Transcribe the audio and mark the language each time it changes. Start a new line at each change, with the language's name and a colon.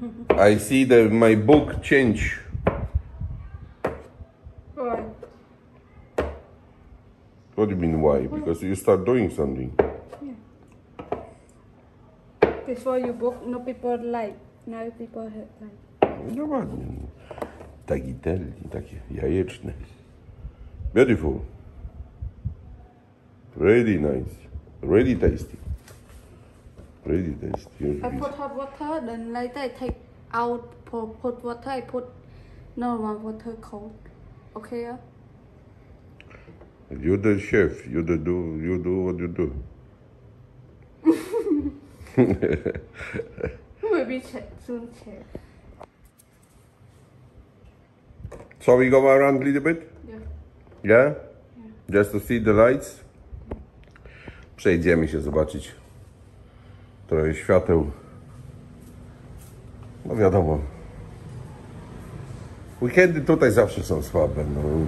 English: I see that my book change. Why? What do you mean why? Because you start doing something. Yeah. Before you book, no people like. Now people hurt like.
Polish: No ładnie. Tagitelli, takie jajeczne.
English: Beautiful. Really nice. Really tasty. Really tasty. Here's I piece. Put hot water, then later I take out hot water, I put normal water cold. Okay, yeah? You the chef, you do what you do. Maybe check soon chef. So we go around a little bit? Yeah. Just to see the lights?
Polish: Przejdziemy się zobaczyć trochę świateł. No wiadomo. Weekendy tutaj zawsze są słabe. No.